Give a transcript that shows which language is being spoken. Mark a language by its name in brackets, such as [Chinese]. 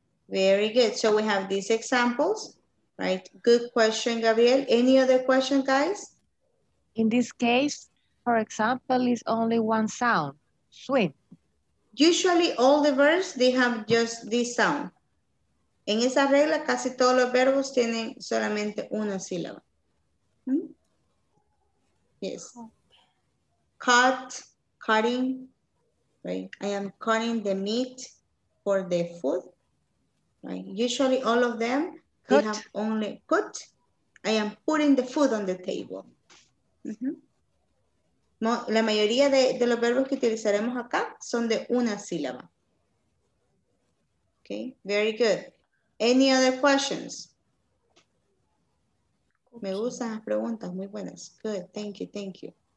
[English] Very good, so we have these examples, right? Good question, Gabriel. Any other question, guys? In this case, for example, is only one sound, swim. Usually all the verbs, they have just this sound. [Spanish] En esa regla, casi todos los verbos tienen solamente una sílaba. [English] Yes. Cut, cutting, right? I am cutting the meat for the food, right? Usually all of them, they have only cut. I am putting the food on the table. [Spanish] La mayoría de los verbos que utilizaremos acá son de una sílaba. [English] Okay, very good. Any other questions? [Spanish] Okay. Me gustan las preguntas, muy buenas. [English] Good, thank you, thank you.